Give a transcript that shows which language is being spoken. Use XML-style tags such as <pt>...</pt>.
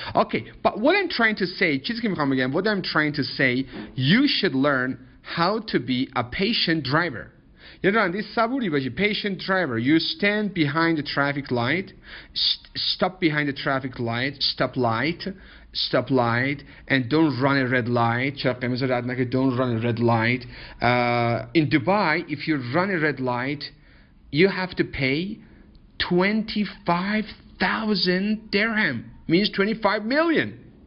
<en>Okay, but what I'm trying to say,</en> <fa>چیزی که میخوام بگم,</fa> <en>what I'm trying to say, you should learn how to be a patient driver.</en> <fa>یه راننده صبوری باشی,</fa> <en>patient driver. You stand behind the traffic light, stop behind the traffic light, and don't run a red light.</en> <fa>چرا قرمز رد نکنی,</fa> <en>don't run a red light. In Dubai, if you run a red light, you have to pay 25,000 dirham, means 25 million.</en>